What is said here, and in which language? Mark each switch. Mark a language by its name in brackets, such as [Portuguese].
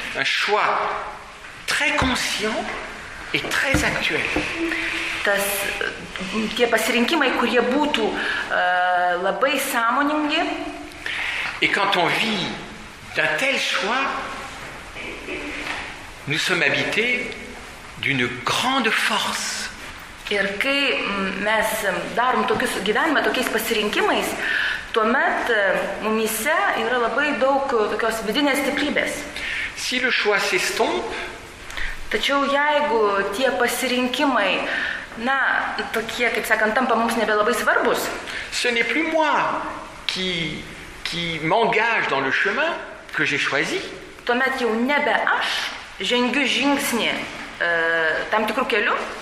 [French] Un choix très conscient et très actuel. [Lithuanian] Tas, tie pasirinkimai, kurie būtų labai sąmoningi. [French] Et quand on vit d'un tel choix, nous sommes habités d'une grande force. [Lithuanian] Ir kai mes darom tokius gyvenimą, tokiais pasirinkimais, tuomet mumyse yra labai daug tokios vidinės stiprybės. [French] Si le choix s'estompe, [Lithuanian] tačiau jeigu tie pasirinkimai, na, tokie, kaip sakant, tampa mums nebelabai svarbus, [French] ce n'est plus moi qui m'engage dans le chemin que j'ai choisi. [Lithuanian] Tuomet jau nebe aš žengiu žingsnį tam tikru keliu.